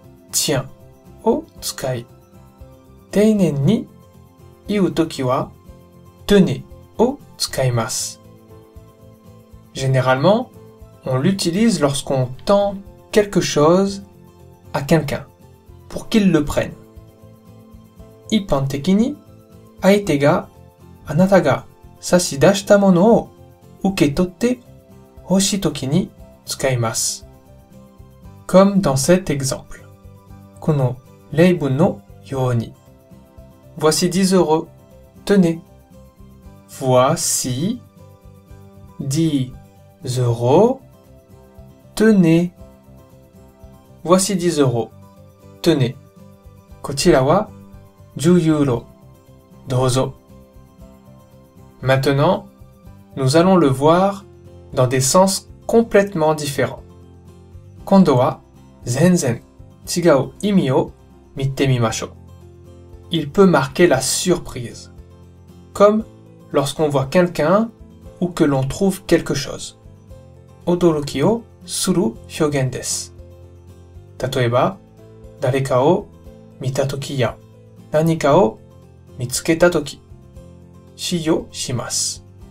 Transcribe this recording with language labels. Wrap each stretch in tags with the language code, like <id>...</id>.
<ja>Tiens を使い、丁寧に言うときは、tenez を使います。</ja> <fr>Généralement, on l'utilise lorsqu'on tend quelque chose à quelqu'un, pour qu'il le prenne.</fr> <ja>一般的に、相手が、あなたが差し出したものを受け取って欲しいときに使います。</ja> <fr>Comme dans cet exemple.</fr> <ja>この例文のように。</ja> <fr>Voici 10 euros. Tenez. Voici 10 euros. Tenez. Voici 10 euros. Tenez.</fr> <ja>こちらは10ユーロ。どうぞ。</ja> <fr>Maintenant, nous allons le voir dans des sens complètement différents.</fr> <ja>今度は全然。違う意味を見てみましょう。</ja> <fr>Il peut marquer la surprise, comme lorsqu'on voit quelqu'un ou que l'on trouve quelque chose.</fr> <ja>驚きをする表現です。例えば、誰かを見たときや何かを見つけたとき、使用します。</ja>